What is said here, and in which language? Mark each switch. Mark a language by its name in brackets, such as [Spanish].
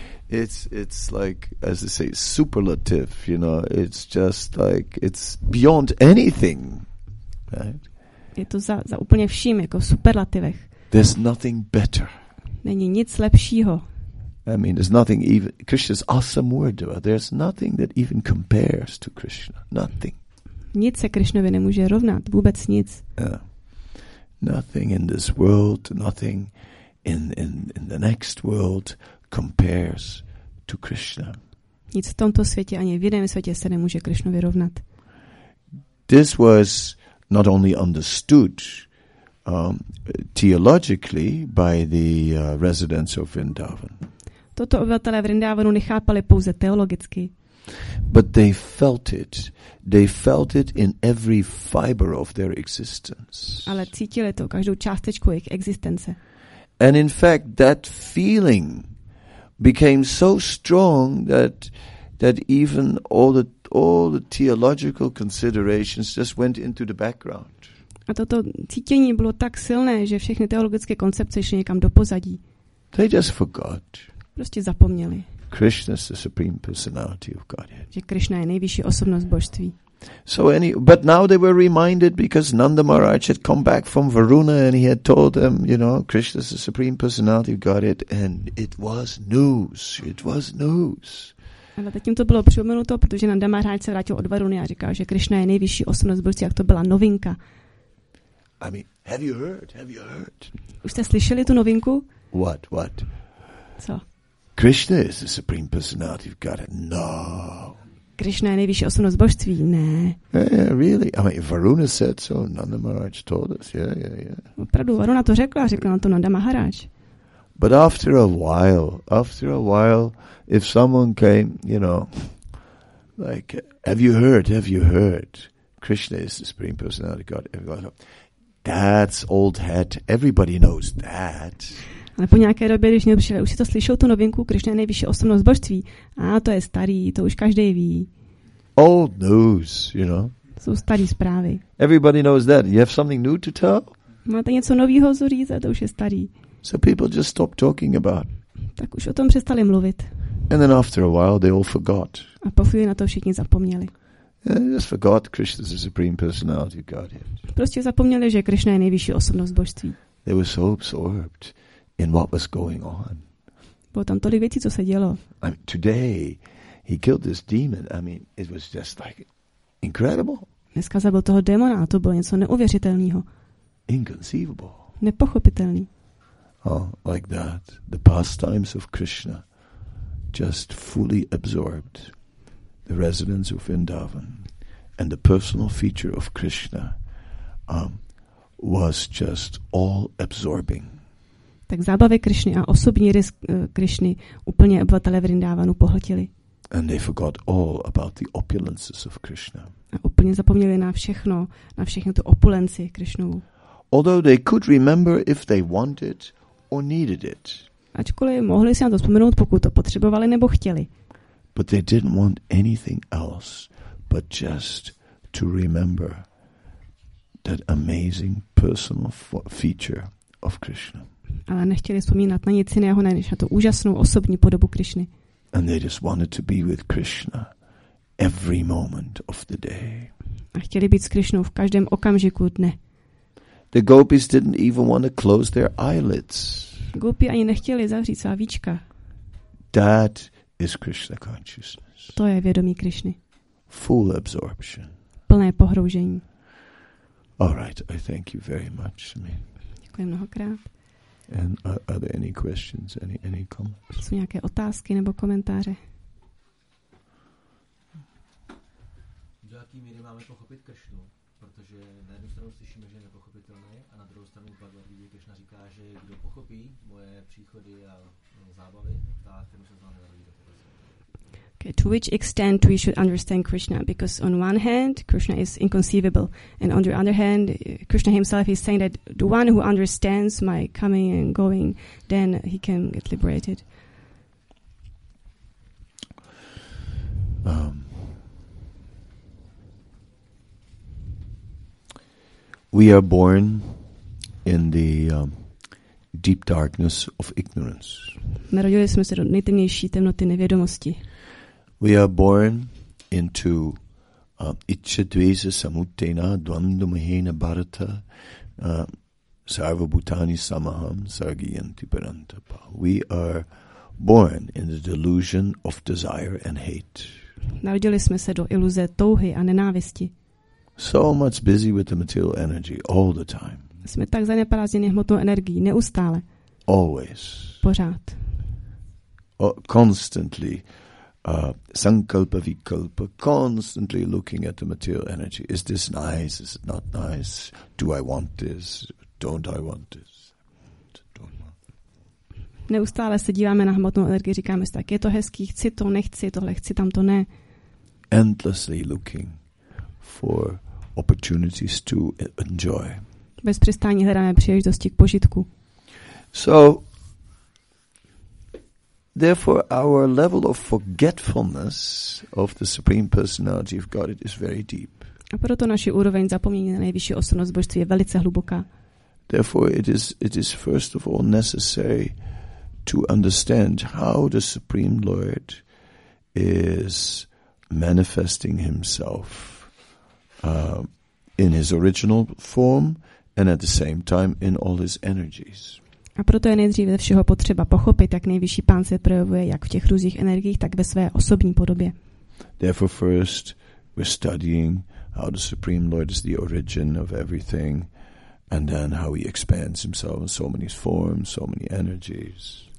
[English] It's like, as I say, superlative, you know. It's just like, it's beyond anything, right? [Czech] Je to za úplně vším, jako v superlativech. [English] There's nothing better. [Czech] Není nic lepšího. [English] I mean, there's nothing even, Krishna's awesome word, there's nothing that even compares to Krishna. Nothing. [Czech] Nic se Krishnovi nemůže rovnat, vůbec nic. [English] Yeah. Nothing in this world, nothing in the next world compares to Krishna. [Czech] Nic v tomto světě ani v jiném světě se nemůže Krishnovi rovnat. [English] This was not only understood theologically by the residents of Vrindavan. [Czech] Toto obyvatelé Vrindavanu nechápali pouze teologicky. [English] But they felt it. They felt it in every fiber of their existence. [Czech] Ale cítili to, každou částečku jejich existence. [English] And in fact, that feeling became so strong that even all the theological considerations just went into the background. [Czech] A toto cítění bylo tak silné, že všechny teologické koncepce šly někam do pozadí. [English] They just forgot. [Czech] Prostě zapomněli. [English] Krishna is the supreme personality of Godhead. [Czech] Že Krishna je nejvyšší osobnost božství. [English] But now they were reminded because Nanda Maharaj had come back from Varuna and he had told them, you know, Krishna is the supreme personality of Godhead, and it was news. It was news. [Czech] Ale teď jim to bylo připomenuto, protože Nanda Maharaj se vrátil od Varuny a říkal, že Krishna je nejvyšší osobnost božství, jak to byla novinka. [English] I mean, have you heard? Have you heard? [Czech] Už jste slyšeli tu novinku? [English] What? [Czech] Co? [English] Krishna is the supreme personality of Godhead. No. [Czech] Krishna je nejvyšší osobnost božství. Ne. [English] Yeah, really. I mean, Varuna said so. Nanda Maharaj told us. Yeah. [Czech] Opravdu, Varuna to řekla, řekla nám to Nanda Maharaj. [English] But after a while, if someone came, you know, like, have you heard? Krishna is the supreme personality of God. That's old hat. Everybody knows that. [Czech] Ale po nějaké době, když někdo přišel, už si to slyšel tu novinku, Krishna je nejvyšší osobnost božství. A to je starý, to už každý ví. [English] Old news, you know. [Czech] Jsou starý zprávy. [English] Everybody knows that. You have something new to tell? [Czech] Máte něco novýho říct, a to už je starý. [English] So people just stop talking about. [Czech] Tak už o tom přestali mluvit. [English] And then after a while they all forgot. [Czech] A po chvíli na to všichni zapomněli. [English] Yeah, they just forgot Krishna is the supreme personality of Godhead. [Czech] Prostě zapomněli, že Krishna je nejvyšší osobnost božství. [English] They were so absorbed in what was going on. [Czech] Bylo tam tolik věcí, co se dělo. [English] I mean, today he killed this demon. I mean, it was just like incredible. [Czech] Dneska zabil toho démona a to bylo něco neuvěřitelného. [English] Inconceivable. [Czech] Nepochopitelný. [English] Oh, like that. The pastimes of Krishna just fully absorbed the residence of Vrindavan, and the personal feature of Krishna was just all absorbing. [Czech] Tak zábavy Krišny a osobní rys Krišny úplně obyvatele Vrindávanu pohltili. [English] And they forgot all about the opulences of Krishna. [Czech] A úplně zapomněli na všechno tu opulenci Krišnovu. [English] Although they could remember if they wanted or needed it. [Czech] Ačkoliv mohli si na to vzpomenout, pokud to potřebovali nebo chtěli. [English] But they didn't want anything else but just to remember that amazing personal feature of Krishna. [Czech] Ale nechtěli vzpomínat na nic jiného, než na tu úžasnou osobní podobu Krišny. [English] And they just wanted to be with Krishna every moment of the day. [Czech] A chtěli být s Krišnou v každém okamžiku dne. [English] The gopis didn't even want to close their eyelids. [Czech] Gopi ani nechtěli zavřít svá víčka. [English] That is Krishna consciousness. [Czech] To je vědomí Krišny. [English] Full absorption. [Czech] Plné pohroužení. [English] All right, I thank you very much, Sami. [Czech] Děkuji mnohokrát. [English] And are there any questions, any comments? [Czech] Jsou nějaké otázky nebo komentáře? Do jaký míry máme pochopit Krišnu? Protože na jednu stranu slyšíme, že je nepochopitelné, a na druhou stranu Bhagavad Gita Krišna říká, že kdo pochopí moje příchody a zábavy, tak ten se z vámi narodí. [English] Okay, to which extent we should understand Krishna? Because on one hand, Krishna is inconceivable. And on the other hand, Krishna himself is saying that the one who understands my coming and going, then he can get liberated. We are born in the deep darkness of ignorance. [Czech] Narodili jsme se do nejtemnější temnoty nevědomosti. [English] We are born into [Sanskrit] iccha dvesa samuttena dvandumahena bharata sarvabhutani samaham sargiyanti parantapa. [English] We are born in the delusion of desire and hate. [Czech] Narodili jsme se do iluze touhy a nenávisti. [English] So much busy with the material energy all the time. [Czech] Jsme tak zaneprázdněni hmotnou energií neustále. [English] Always. [Czech] Pořád. [English] Constantly. [Sanskrit] Sankalpa vikalpa, [English] constantly looking at the material energy. Is this nice? Is it not nice? Do I want this? Don't I want this? [Czech] Neustále se díváme na hmotnou energii, říkáme si tak, je to hezký, chci to, nechci tohle, chci tam to, ne. [English] endlessly looking for opportunities to enjoy. [Czech] Bez přestání hledáme příležitosti k požitku. [English] So, therefore, our level of forgetfulness of the Supreme Personality of Godhead is very deep. [Czech] A proto naši úroveň zapomnění na nejvyšší osobnost Božství je velice hluboká. [English] Therefore, it is first of all necessary to understand how the Supreme Lord is manifesting Himself in His original form and at the same time in all His energies. [Czech] A proto je nejdříve všeho potřeba pochopit, jak nejvyšší pán se projevuje jak v těch různých energiích, tak ve své osobní podobě. [English] Therefore, first we're studying how the Supreme Lord is the origin of everything, and then how He expands Himself in so many forms, so many energies.